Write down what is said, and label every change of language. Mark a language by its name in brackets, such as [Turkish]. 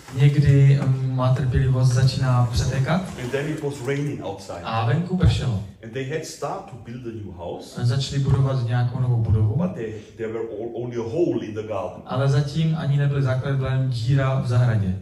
[Czech] Někdy má trpělivost začíná přetékat. [English] And then it was raining outside. [Czech] A venku pršelo. [English] And they had started to build a new house. [Czech] A začali budovat nějakou novou budovu. [English] But there were only a hole in the garden. [Czech] Ale zatím ani nebyl základ, byla jen díra v zahradě.